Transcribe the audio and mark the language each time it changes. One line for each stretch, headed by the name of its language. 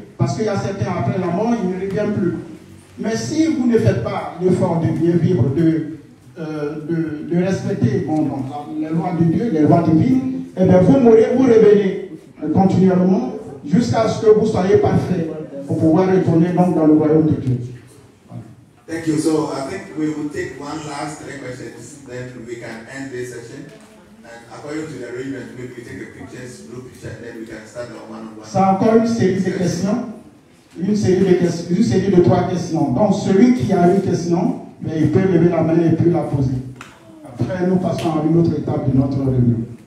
French: Parce qu'il y a certains, après la mort, ils ne reviennent plus. Mais si vous ne faites pas l'effort de bien vivre, de respecter les lois de Dieu, les lois divines, eh bien, vous mourrez, vous revenez continuellement jusqu'à ce que vous soyez parfait pour pouvoir retourner donc dans le royaume de Dieu.
English: Thank you. So, I think we will take one last three questions, then we can end this session. According to the arrangement, maybe we take a pictures, group picture, and then we can start on one-on-one.
French: C'est encore une série de questions. Une série de trois questions. Donc, celui qui a une question, mais il peut lever la main et puis la poser. Après, nous passons à une autre étape de notre réunion.